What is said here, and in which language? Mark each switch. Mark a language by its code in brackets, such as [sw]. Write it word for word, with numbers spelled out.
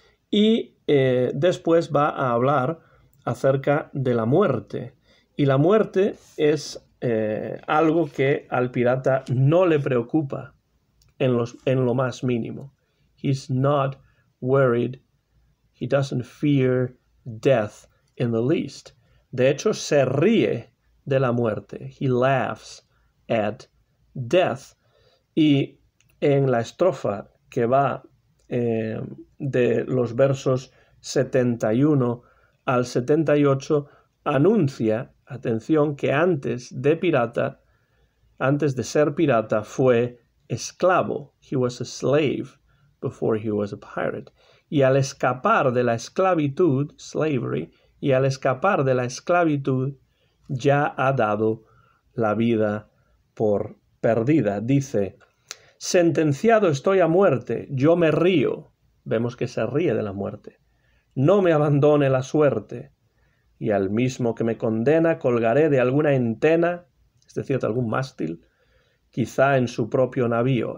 [es] Y eh, después va a hablar acerca de la muerte. Y la muerte es eh, algo que al pirata no le preocupa en, los, en lo más mínimo. [en] He's not worried. He doesn't fear death in the least. [es] De hecho, se ríe de la muerte. [en] He laughs at death. [es] Y en la estrofa que va eh, de los versos setenta y uno al setenta y ocho, anuncia, atención, que antes de pirata, antes de ser pirata, fue esclavo. [en] He was a slave before he was a pirate. [es] Y al escapar de la esclavitud, slavery, y al escapar de la esclavitud, ya ha dado la vida por perdida. Dice, sentenciado estoy a muerte, yo me río. Vemos que se ríe de la muerte. No me abandone la suerte, y al mismo que me condena colgaré de alguna entena, es decir, de algún mástil, quizá en su propio navío.